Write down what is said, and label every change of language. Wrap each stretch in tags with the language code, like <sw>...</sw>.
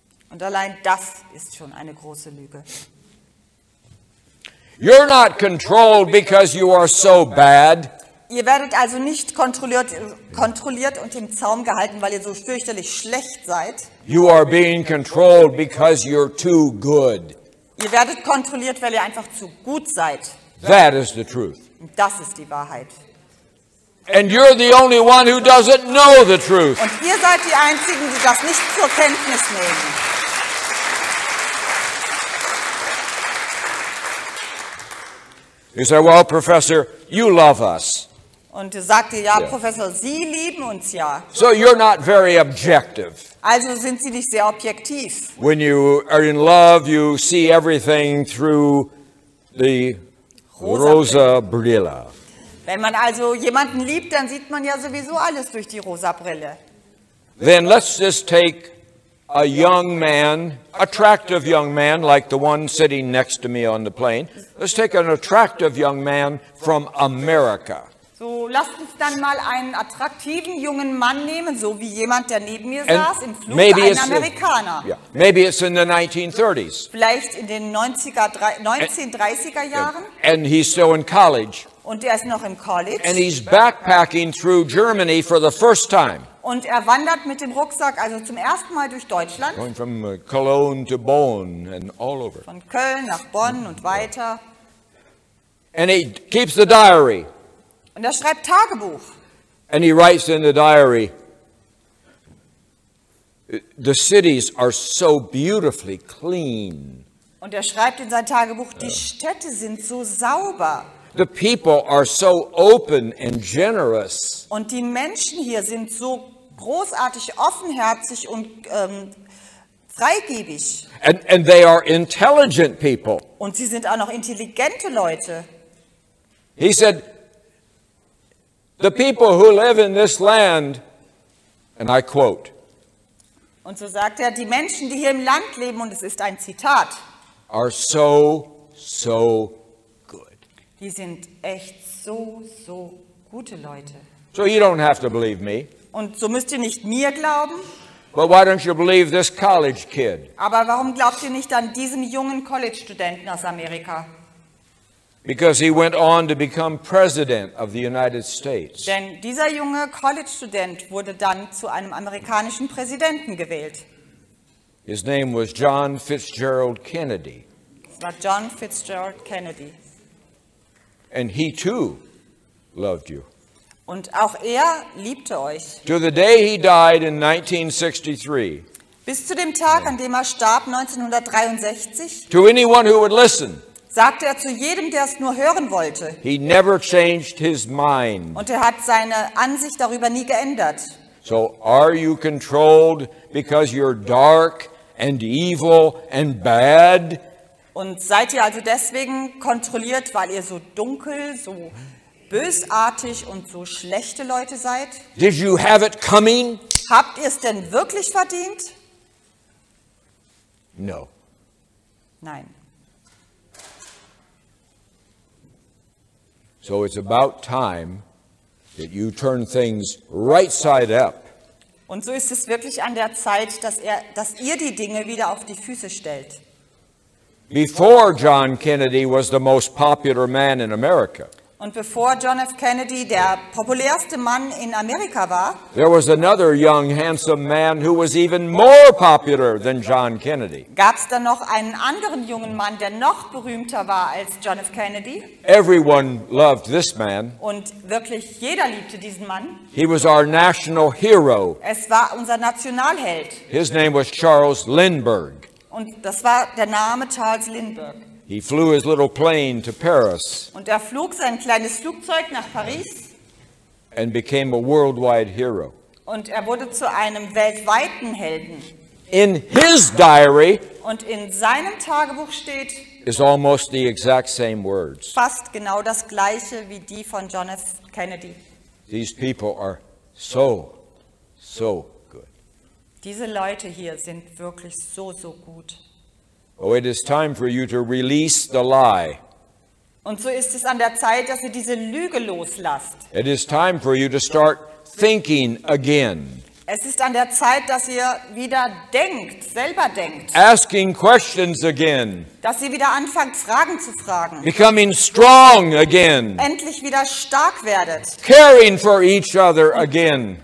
<de>Und allein das ist schon eine große Lüge.</de> <en>You're not controlled because you are so bad.</en> <de>Ihr werdet also nicht kontrolliert und im Zaum gehalten, weil ihr so fürchterlich schlecht seid.</de> <en>You are being controlled because you're too good.</en> <de>Ihr werdet kontrolliert, weil ihr einfach zu gut seid.</de> <en>That is the truth.</en> <de>Und das ist die Wahrheit.</de> <en>And you're the only one who doesn't know the truth.</en> <de>Und ihr seid die Einzigen, die das nicht zur Kenntnis nehmen.</de> <en>You say, well, Professor, you love us.</en> <de>Und sagt ihr, ja, yeah. Professor, Sie lieben uns ja.</de> <en>So you're not very objective.</en> <de>Also sind Sie nicht sehr objektiv.</de> <en>When you are in love, you see everything through the</en> <de>rosa Brille. Wenn man also jemanden liebt, dann sieht man ja sowieso alles durch die rosa Brille.</de> <en>Then let's just take a young man, attractive young man, like the one sitting next to me on the plane. Let's take an attractive young man from America.</en> <de>So, lasst uns dann mal einen attraktiven jungen Mann nehmen, so wie jemand, der neben mir saß, im Flug, ein Amerikaner.</de> <en>Yeah, maybe it's in the 1930s.</en> <de>Vielleicht in den 1930er Jahren.</de> <en>And he's still in college.</en> <de>Und er ist noch im College.</de> <en>And he's backpacking through Germany for the first time.</en> <de>Und er wandert mit dem Rucksack also zum ersten Mal durch Deutschland.</de> <en>Going from Cologne to Bonn and all over.</en> <de>Von Köln nach Bonn und weiter.</de> <en>And he keeps the diary.</en> <de>Und er schreibt Tagebuch.</de> <en>And he writes in the diary, the cities are so beautifully clean.</en> <de>Und er schreibt in sein Tagebuch, die Städte sind so sauber.</de> <en>The people are so open and generous.</en> <de>Und die Menschen hier sind so großartig, offenherzig und freigebig.</de> <en>And they are intelligent people.</en> <de>Und sie sind auch noch intelligente Leute.</de> <en>He said, the people who live in this land, and I quote.</en> <de>Und so sagt er, die Menschen, die hier im Land leben, und es ist ein Zitat.</de> <en>Are so, so good.</en> <de>Die sind echt so, so gute Leute.</de> <en>So you don't have to believe me.</en> <de>Und so müsst ihr nicht mir glauben.</de> <en>But why don't you believe this college kid?</en> <de>Aber warum glaubt ihr nicht an diesen jungen College-Studenten aus Amerika?</de> <en>Because he went on to become president of the United States.</en> <de>Denn dieser junge College-Student wurde dann zu einem amerikanischen Präsidenten gewählt.</de> <en>His name was John Fitzgerald Kennedy.</en> <de>War John Fitzgerald Kennedy.</de> <en>And he too loved you.</en> <de>Und auch er liebte euch.</de> <en>To the day he died in 1963.</en> <de>Bis zu dem Tag, an dem er starb, 1963.</de> <en>To anyone who would listen.</en> <de>sagte er zu jedem, der es nur hören wollte.</de> <en>He never changed his mind.</en> <de>Und er hat seine Ansicht darüber nie geändert.</de> <en>So are you controlled because you're dark and evil and bad?</en> <de>Und seid ihr also deswegen kontrolliert, weil ihr so dunkel, so bösartig und so schlechte Leute seid?</de> <en>Did you have it coming?</en> <de>Habt ihr es denn wirklich verdient?</de> <en>No.</en> <de>Nein.</de> <en>So it's about time that you turn things right side up.</en> <de>Und so ist es wirklich an der Zeit, dass ihr die Dinge wieder auf die Füße stellt.</de> <en>Before John Kennedy was the most popular man in America.</en> <de>Und bevor John F. Kennedy der populärste Mann in Amerika war,</de> <en>there was another young, handsome man who was even more popular than John Kennedy.</en> <de>Gab's da noch einen anderen jungen Mann, der noch berühmter war als John F. Kennedy?</de> <en>Everyone loved this man.</en> <de>Und wirklich jeder liebte diesen Mann.</de> <en>He was our national hero.</en> <de>Es war unser Nationalheld.</de> <en>His name was Charles Lindbergh.</en> <de>Und das war der Name Charles Lindbergh.</de> <en>He flew his little plane to Paris.</en> <de>Und er flog sein kleines Flugzeug nach Paris.</de> <en>And became a worldwide hero.</en> <de>Und er wurde zu einem weltweiten Helden.</de> <en>In his diary.</en> <de>Und in seinem Tagebuch steht.</de> <en>Is almost the exact same words.</en> <de>Fast genau das gleiche wie die von John F. Kennedy.</de> <en>These people are so, so good.</en> <de>Diese Leute hier sind wirklich so, so gut.</de> <en>Oh, it is time for you to release the lie.</en> <de>Und so ist es an der Zeit, dass ihr diese Lüge loslasst.</de> <en>It is time for you to start thinking again.</en> <de>Es ist an der Zeit, dass ihr wieder denkt, selber denkt.</de> <en>Asking questions again.</en> <de>Dass ihr wieder anfangt, Fragen zu fragen.</de> <en>Becoming strong again.</en> <de>Endlich wieder stark werdet.</de> <en>Caring for each other again.</en>